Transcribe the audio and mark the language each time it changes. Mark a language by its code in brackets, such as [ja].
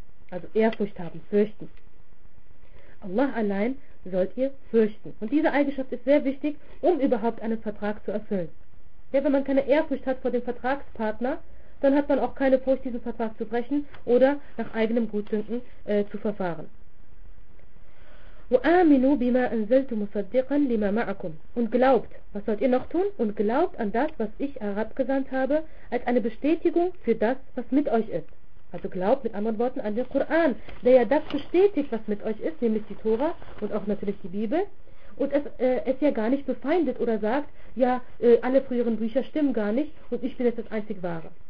[de] Also Ehrfurcht haben, fürchten. Allah allein sollt ihr fürchten. Und diese Eigenschaft ist sehr wichtig, um überhaupt einen Vertrag zu erfüllen. Ja, wenn man keine Ehrfurcht hat vor dem Vertragspartner, dann hat man auch keine Furcht, diesen Vertrag zu brechen oder nach eigenem Gutdünken zu verfahren. [ar] وآمنوا بما أنزلت مصدقا لما معكم. [de] Und glaubt, was sollt ihr noch tun? Und glaubt an das, was ich herabgesandt habe, als eine Bestätigung für das, was mit euch ist. Also glaubt mit anderen Worten an den Koran, der ja das bestätigt, was mit euch ist, nämlich die Tora und auch natürlich die Bibel. Und es ja gar nicht befeindet oder sagt, ja, alle früheren Bücher stimmen gar nicht und ich bin jetzt das einzig Wahre.